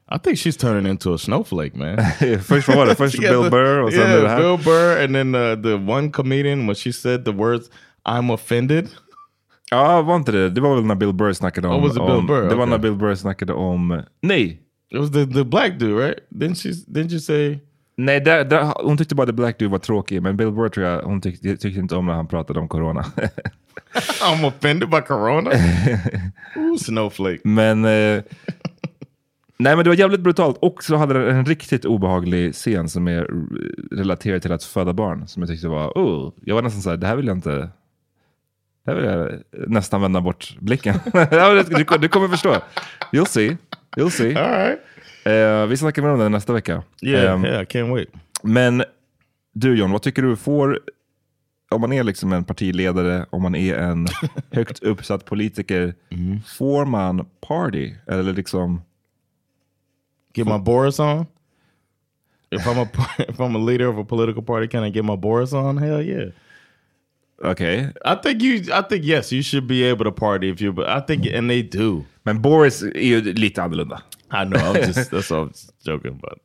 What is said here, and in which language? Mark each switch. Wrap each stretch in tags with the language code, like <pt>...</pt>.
<en>I think she's turning into a snowflake, man.</en> <sv>Först var det, först Bill Burr och sen det här.</sv> <en>Bill Burr, and then the one comedian, when she said the words, I'm offended.</en> <sv>Ja, var inte det. Det var väl när Bill Burr snackade om...</sv> <en>Oh, was it Bill Burr?</en> <sv>Det var när Bill Burr snackade om... Nej!</sv> <en>It was the black dude, right? Didn't you say?</en> <sv>Nej, där hon tyckte bara</sv> <en>the black dude</en> <sv>var tråkig, men Bill Burr, hon tyckte inte om när han pratade om corona.</sv> <en>I'm offended by corona. Ooh, snowflake.</en> <sv>Men nej, men det var jävligt brutalt, och så hade en riktigt obehaglig scen som är relaterad till att föda barn, som jag tyckte var, oh, jag var nästan så här, det här vill jag nästan vända bort blicken. du kommer förstå.</sv> <en>You'll see. You'll see. All right.</en> <sv>Vi snackar med om det nästa vecka.</sv> <en>Yeah, yeah, can't wait.</en> <sv>Men du, John, vad tycker du får, om man är liksom en partiledare, om man är en högt uppsatt politiker, får man party? Eller liksom...</sv> <en>Get my Boris on? If I'm a leader of a political party, can I get my Boris on? Hell yeah. Okay. I think yes, you should be able to party if you, but I think, and they do.</en> <sv>Men Boris är ju lite annorlunda.</sv> <en>I know, that's all I'm just joking about.</en>